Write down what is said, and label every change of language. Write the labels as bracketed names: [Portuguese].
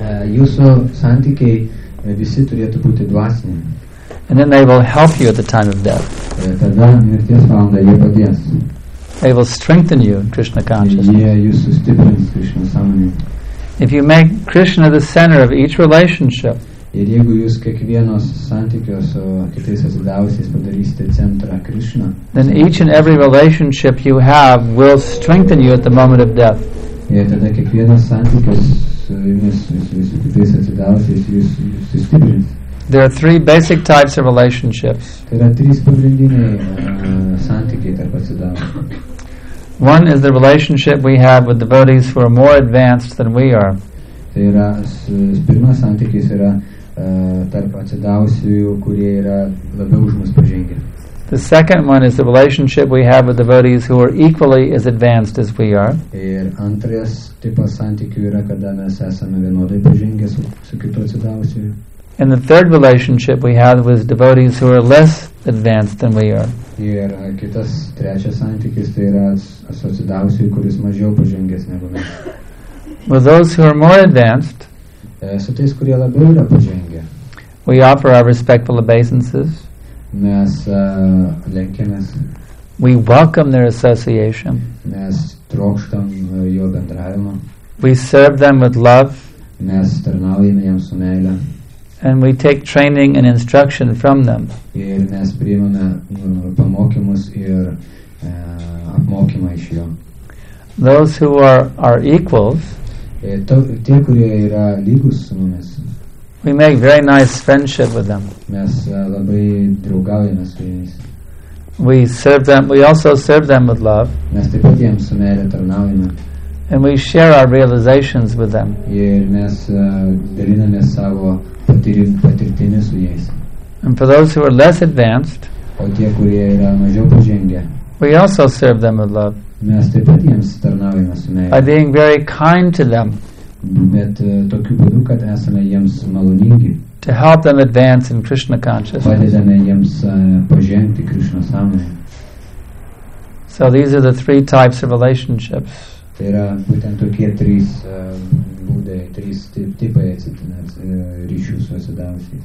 [Lithuanian] Jūsų santykiai visi turėtų būti dvasiniai. [English] And then they will help you at the time of death. [Lithuanian] Tada mirties valandą jie padės. [English] They will strengthen you, Krishna consciousness. [Lithuanian] Jie jūs sustiprins, Krishna sąmonėje. [English] If you make Krishna the center of each relationship, [Lithuanian] ir jeigu jūs kiekvienos santykio su kitais atsidavusiais padarysite centrą Krishna, [English] then each and every relationship you have will strengthen you at the moment of death. [Lithuanian] Ir tada kiekvienas santykis su jumis, su kitais atsidavusiais, jūs sustiprins. [English] There are three basic types of relationships. One is the relationship we have with devotees who are more advanced than we are. The second one is the relationship we have with devotees who are equally as advanced as we are. [Lithuanian] Ir antras tipas santykių yra, kada mes esame vienodai pažengę su kitu atsidavusiu. [English] And the third relationship we have with devotees who are less advanced than we are. [Lithuanian] Ir kitas trečias santykis tai yra asociacijų, kuris mažiau pažengęs negu mes. [English] With those who are more advanced, [Lithuanian] su tais, kurie labiau yra pažengę, [English] we offer our respectful obeisances. [Lithuanian] Mes lenkiamės. [English] We welcome their association. [Lithuanian] Mes trokštam jo bendravimo. [English] We serve them with love. [Lithuanian] Mes tarnaujame jiems su meile. [English] And we take training and instruction from them. [Lithuanian] Ir mes priimame pamokymus ir apmokymą iš jo. [English] Those who are our equals, [Lithuanian] tie, kurie yra lygus su mumis, [English] we make very nice friendship with them. [Lithuanian] Mes labai draugaujame su jais. [English] We serve them, we also serve them with love. [Lithuanian] Mes taip pat jiems su meile tarnaujame. [English] And we share our realizations with them. [Lithuanian] Ir mes dalinamės savo patirtimi su jais. [English] And for those who are less advanced, [Lithuanian] o tie, kurie yra mažiau pažengę, [English] we also serve them with love. [Lithuanian] Mes taip pat jiems tarnaujame su meile. [English] By being very kind to them. [Lithuanian] Bet tokiu būdu, kad esame jiems maloningi. [English] To help them advance in Krishna consciousness. [Lithuanian] Padedame jiems pažengti Krishna sąmonėje. [English] So these are the three types of relationships. [Lithuanian] Tai yra būtent tokie trys būdai, trys tipai atsitinės ryšių su atsidavusiais.